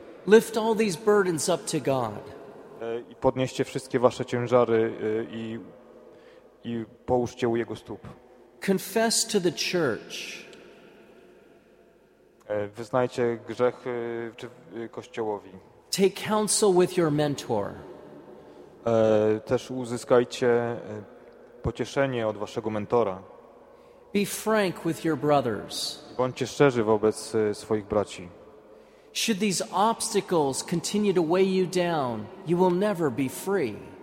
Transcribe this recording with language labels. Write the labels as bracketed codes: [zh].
[en] Lift all these burdens up to God. [pl] I podnieście wszystkie wasze ciężary i połóżcie u jego stóp. [en] Confess to the church. [pl] Wyznajcie grzech Kościołowi. [en] Take counsel with your mentor. [pl] Też uzyskajcie pocieszenie od waszego mentora. [en] Be frank with your brothers. [pl] Bądźcie szczerzy wobec swoich braci. [en] Should these obstacles continue to weigh you down, you will never be free.